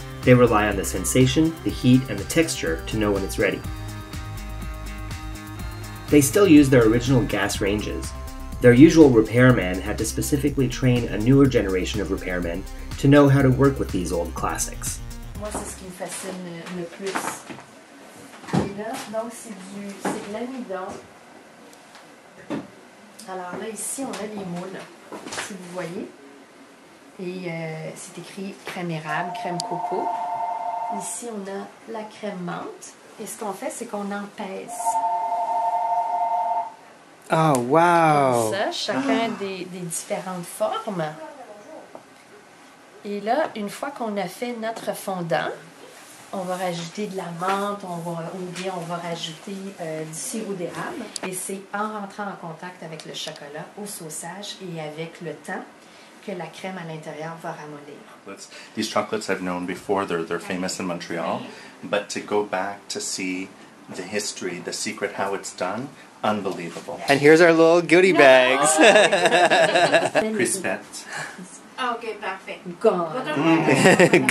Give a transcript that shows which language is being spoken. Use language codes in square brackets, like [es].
[en] They rely on the sensation, the heat, and the texture to know when it's ready. They still use their original gas ranges. Their usual repairman had to specifically train a newer generation of repairmen to know how to work with these old classics. [fr] Moi, c'est ce qui me fascine le plus. Et là, donc, c'est de l'amidon. Alors là, ici, on a les moules, si vous voyez. Et c'est écrit crème érable, crème coco. Ici, on a la crème menthe. Et ce qu'on fait, c'est qu'on en pèse. [en] Oh, wow! [fr] Comme ça, chacun des différentes formes. Et là, une fois qu'on a fait notre fondant, on va rajouter de la menthe, on va rajouter du sirop d'érable. Et c'est en rentrant en contact avec le chocolat au saucage et avec le temps que la crème à l'intérieur va ramollir. [en] These chocolates I've known before, they're famous in Montreal. But to go back to see the history, the secret, how it's done, unbelievable. And here's our little goodie bags. [fr] Crispettes. [en] Okay, perfect. Gone.